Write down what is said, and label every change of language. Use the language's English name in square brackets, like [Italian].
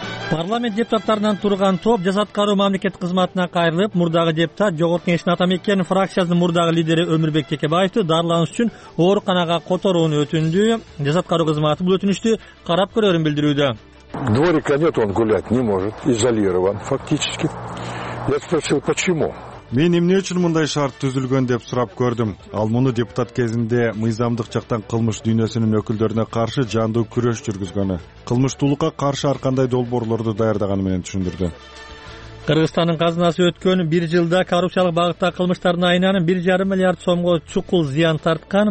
[Kyrgyz] Парламент депутаттарынан турган топ жаз аткаруу мамлекет кызматына кайрылып, мурдагы депутат Жогорку Кеңештин атамекен фракциясынын мурдагы лидери Өмүрбек Текебаевди дарылануусу үчүн ооруканага которууну өтүндү. Жаз аткаруу кызматы бул өтүнүчтү карап көрөрүн билдирүүдө. [Russian] Дворика нет, он гулять не может, изолирован фактически. Я спросил, почему? [Kyrgyz] Мен эмне үчүн мындай шарт түзүлгөн деп сурап көрдүм. Ал муну депутат кезинде мыйзамдык жактан кылмыш дүйнөсүнүн өкүлдөрүнө каршы жандуу күрөш жүргүзгөнү, кылмыштуулукка каршы ар кандай долбоорлорду даярдаганы менен түшүндүрдү. Кыргызстандын казынасы өткөн бир жылда коррупциялык багытта кылмыштардын айынан 1.5 миллиард сомго чукул зыян тарткан.